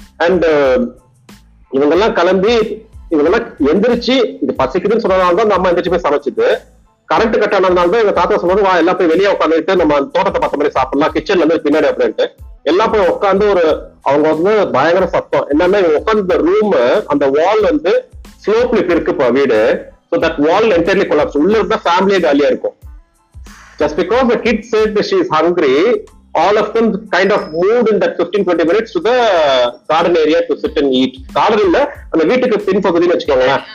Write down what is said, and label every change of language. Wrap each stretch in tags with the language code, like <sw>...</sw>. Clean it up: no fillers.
<ta>And இவங்க எல்லாம் கிளம்பி இவங்க எல்லாம் எந்திரிச்சு இது பசிக்குதுன்னு சொன்னதால்தான் அம்மா எந்திரிச்சு போய் சமைச்சிட்டு கரண்ட் கட் ஆனதுனால்தான் எங்க தாத்தா சொல்றது வா எல்லாம் போய் வெளியே உட்காந்துட்டு நம்ம தோட்டத்தை பார்த்த மாதிரி சாப்பிடலாம் கிச்சன்ல இருந்து பின்னாடி அப்படின்ட்டு எல்லாம் போய் உட்காந்து ஒரு அவங்க வந்து பயங்கர சத்தம் என்னன்னா இவங்க உட்காந்து ரூம் அந்த வால் வந்து ஸ்லோப்ல இருக்குப்பா வீடு.</ta> <en>So that wall entirely collapsed.</en> <ta>உள்ள இருந்தா ஃபேமிலியே காலியா இருக்கும்.</ta> <en>Just because the kid said that she is hungry, all of them kind of moved in that 15-20 minutes to the garden area to sit and eat.</en> <ta>Garden இல்ல அந்த வீட்டுக்கு பின்பகுதியில் வச்சுக்கோங்க.</ta>